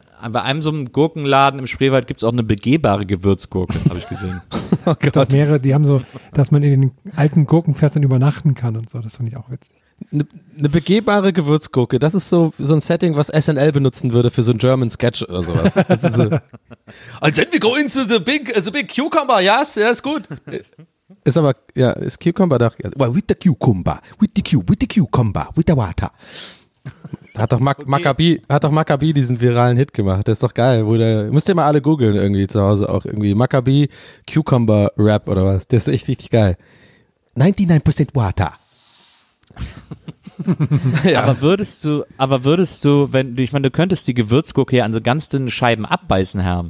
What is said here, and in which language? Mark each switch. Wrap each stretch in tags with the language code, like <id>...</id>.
<de>Bei einem so einem Gurkenladen im Spreewald gibt es auch eine begehbare Gewürzgurke, habe ich gesehen. Oh Gott. Es gibt auch mehrere, die haben so, dass man in den alten Gurkenfässern übernachten kann und so, das finde ich auch witzig. Eine begehbare Gewürzgurke, das ist so ein Setting, was SNL benutzen würde für so ein German Sketch oder sowas. So.</de> <en>And then we go into the big cucumber, yes, that's good.</en> <de>Ist aber, ja, ist Cucumber da?</de> <en>Well, with the cucumber, with the cucumber, with the water.</en> <de>Hat doch Maccabi diesen viralen Hit gemacht. Das ist doch geil. Müsst ihr mal alle googeln irgendwie zu Hause auch irgendwie. Maccabi Cucumber Rap oder was. Das ist echt richtig geil.</de> <en>99% water.</en> <de>Ja. Aber würdest du, wenn du, ich meine, du könntest die Gewürzgurke ja an so ganz dünnen Scheiben abbeißen, Herr.</de>